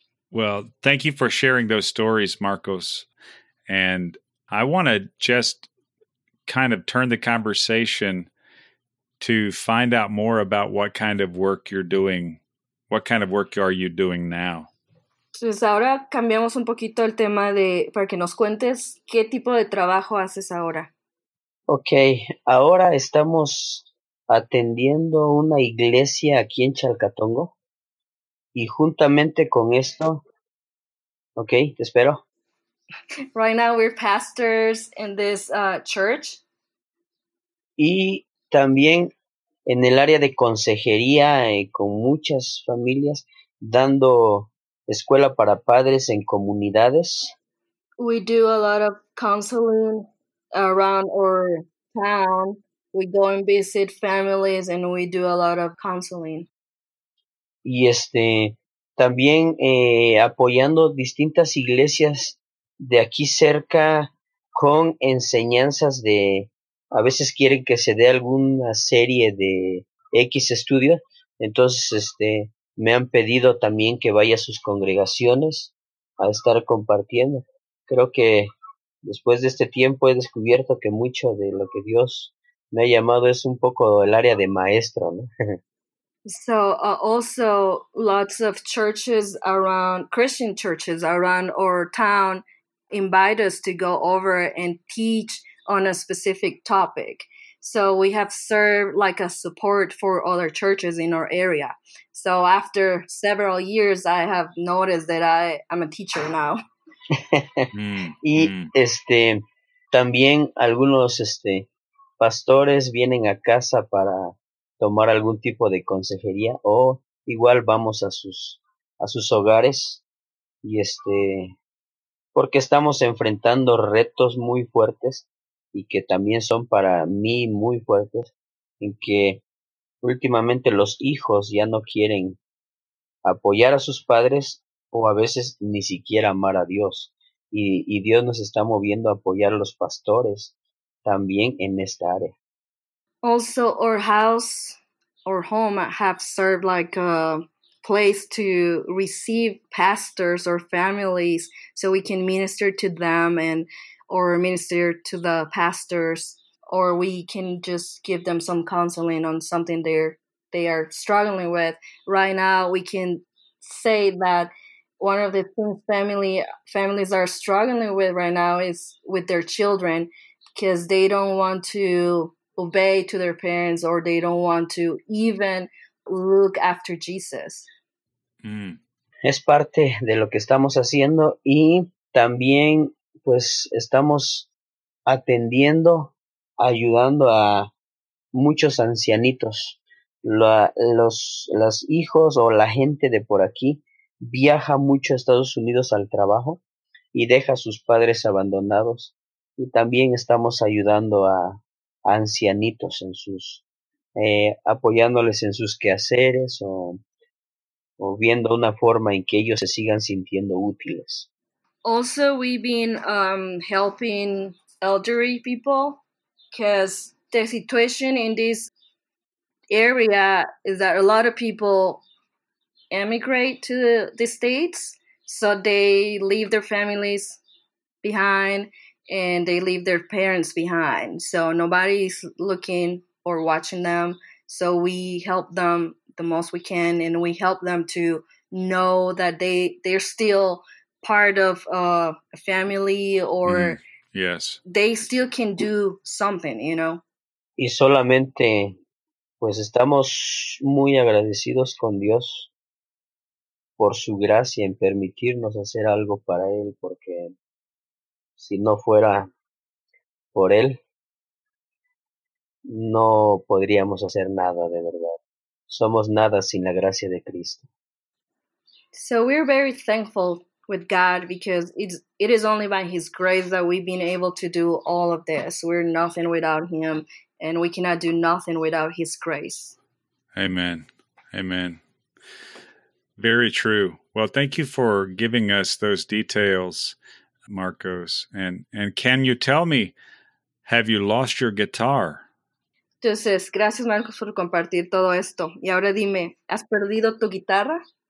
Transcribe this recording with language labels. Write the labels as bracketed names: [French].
[English] Well, thank you for sharing those stories, Marcos. And I want to just kind of turn the conversation to find out more about what kind of work you're doing. What kind of work are you doing now? [Spanish] Entonces ahora cambiamos un poquito el tema para que nos cuentes qué tipo de trabajo haces ahora. Okay, ahora estamos atendiendo una iglesia aquí en Chalcatongo y juntamente con esto, okay, te espero. [English] Right now we're pastors in this church. [Spanish] Y también en el área de consejería con muchas familias dando escuela para padres en comunidades. [English] We do a lot of counseling around our town. We go and visit families and we do a lot of counseling. [Spanish] Y también apoyando distintas iglesias de aquí cerca con enseñanzas de, a veces quieren que se dé alguna serie de X estudio. Entonces, me han pedido también que vaya a sus congregaciones a estar compartiendo. Creo que después de este tiempo he descubierto que mucho de lo que Dios me ha llamado es un poco el área de maestro, ¿no? [English] So, also, lots of churches around, Christian churches around our town invite us to go over and teach on a specific topic. So we have served like a support for other churches in our area. So after several years, I have noticed that I am a teacher now. [Spanish] Y también algunos pastores vienen a casa para tomar algún tipo de consejería, o igual vamos a sus hogares, y porque estamos enfrentando retos muy fuertes y que también son para mí muy fuertes, en que últimamente los hijos ya no quieren apoyar a sus padres o a veces ni siquiera amar a Dios. Y Dios nos está moviendo a apoyar a los pastores también en esta área. [English] Also, our house or home have served like a place to receive pastors or families so we can minister to them and or minister to the pastors, or we can just give them some counseling on something they are struggling with. Right now, we can say that one of the things families are struggling with right now is with their children, because they don't want to obey to their parents, or they don't want to even look after Jesus. Mm. [Spanish] Es parte de lo que estamos haciendo, y también pues estamos atendiendo, ayudando a muchos ancianitos, los hijos o la gente de por aquí. Viaja mucho a Estados Unidos al trabajo y deja a sus padres abandonados. Y también estamos ayudando a ancianitos en sus, apoyándoles en sus quehaceres o viendo una forma en que ellos se sigan sintiendo útiles. [English] Also, we've been helping elderly people because the situation in this area is that a lot of people emigrate to the States, so they leave their families behind and they leave their parents behind, so nobody's looking or watching them, so we help them the most we can, and we help them to know that they're still part of a family, or yes, they still can do something, you know. [Spanish] Y solamente pues estamos muy agradecidos con Dios por su gracia en permitirnos hacer algo para él, porque si no fuera por él, no podríamos hacer nada de verdad. Somos nada sin la gracia de Cristo. [English] So we're very thankful with God because it is only by his grace that we've been able to do all of this. We're nothing without him, and we cannot do nothing without his grace. Amen. Amen. Very true. Well, thank you for giving us those details, Marcos. And can you tell me, have you lost your guitar? [Spanish] Entonces, gracias, Marcos, por compartir todo esto. Y ahora dime, ¿has perdido tu guitarra?